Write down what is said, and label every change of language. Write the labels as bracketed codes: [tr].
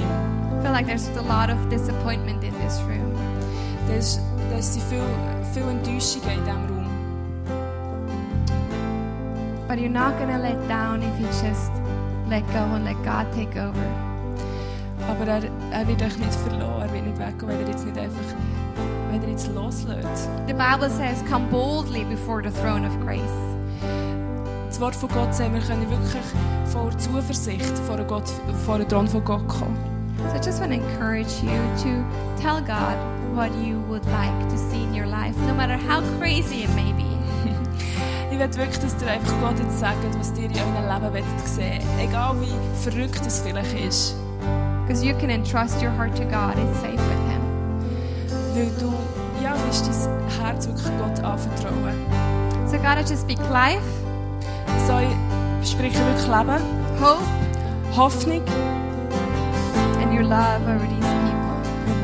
[en] I feel like there's a lot of disappointment in this room. [de] There's viel Enttäuschungen in diesem Raum. [en] But you're not going to let down if you just let go and let God take over. [de] Aber er wird euch nicht verloren, er wird nicht weggehen, wenn er jetzt nicht einfach, wenn er jetzt loslässt. [en] The Bible says, come boldly before the throne of grace. [de] Das Wort von Gott sagt, wir können wirklich vor Zuversicht vor den Thron von Gott kommen. [en] So I just want to encourage you to tell God what you would like to see in your life, no matter how crazy it may be. [de] Ich möchte wirklich, dass dir einfach Gott jetzt sagt, was dir in deinem Leben wird sehen, egal wie verrückt es vielleicht ist. [en] Because you can entrust your heart to God, it's safe with Him. [de] Weil du, ja, willst dein Herz wirklich Gott anvertrauen. [en] So God, I just speak life. [de] So ich spreche wirklich Leben. [en] Hope. [de] Hoffnung. [en] Your love over these people.